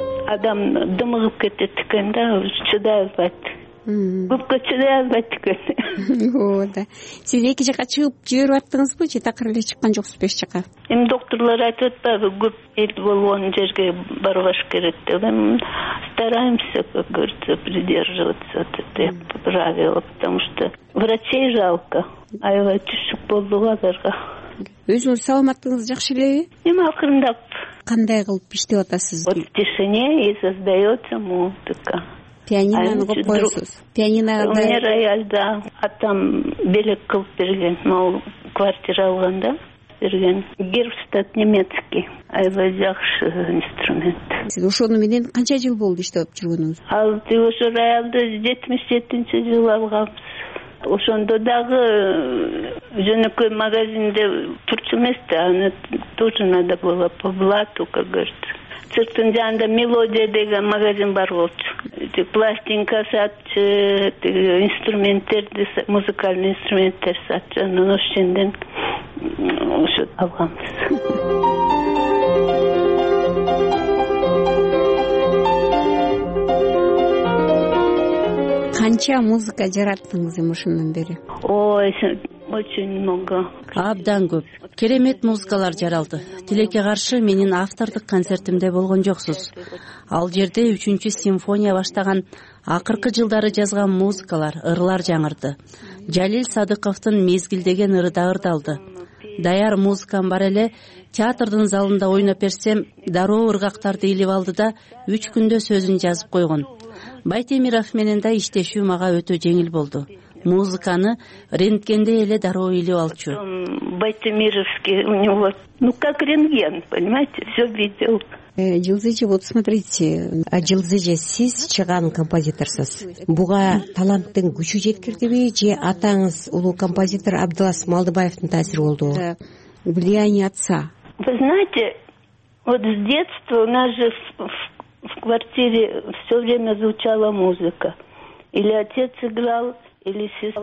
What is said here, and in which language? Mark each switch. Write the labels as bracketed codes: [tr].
[ky] Адам дымыгып кетет экен да, чыдай албайт. Көпкө чыдай албайт экен. Ооба. Сиз эки жака чыгып жиберип аттыңызбы, же такыр эле чыккан жоксуз беш жака? Эми доктурлар айтып атпайбы, көп эл болгон жерге барбаш керек деп. [ru] Эми стараемся, как говорится, придерживаться этих правил, потому что врачей жалко. [ky] Аябай түшүк болду аларга. Өзүңүз саламаттыгыңыз жакшы элеби? Эми акырындап. Кандай кылып иштеп атасыз? [ru] Вот в тишине и создается музыка. [ky] Пианиноны коюп коесуз? Пианинога да. [ru] У меня рояль, да. [ky] Атам белек кылып берген, мал квартира алганда берген. [ru] Герштат немецкий. [ky] Аябай жакшы инструмент. Сиз ошону менен канча жыл болду иштеп жүргөнүңүз? Ал ошо роялды 77 жыл алганбыз. Ошондо дагы жөнөкөй магазинде турчу эмес да, аны [ru] тоже надо было по блату, как говорится. [ky] Цирктын жанында мелодия деген магазин бар болчу. Пластинка сатчы, инструменттерди, музыкальный инструменттер сатчы, анан ошол жерден ошо алганбыз. Канча музыка жараттыңыз эми ошондон бери? [ru] Ой, очень много. [ky] Абдан көп. Керемет музыкалар жаралды. Тилекке каршы менин автордук концертимде болгон жоксуз. Ал жерде 3-чү симфония баштаган акыркы жылдары жазган музыкалар, ырлар жаңырды. Жалил Садыковтун Мезгил деген ыры да ырдалды. Даяр музыкам бар эле, театрдын залында ойноп берсем, дароо ыргактарды илип алды да 3 күндө сөзүн жазып койгон. Байтемиров менен да иштешүү мага өтө жеңил болду. Музыканы рентгенде эле дароо илип алчу. [ru] Байтемировский у него, ну как рентген, понимаете, все видел. [ky] Жылдызы, [ru] вот смотрите, [ky] а Жылдызы, сиз чыгаган композиторсуз. Буга таланттын күчү жеткирдиби же атаңыз улуу композитор Абдылас Малдыбаевдин таасири болду? [ru] Влияние отца. Вы знаете, вот с детства у нас же в квартире все время звучала музыка. Или отец играл, или сестра.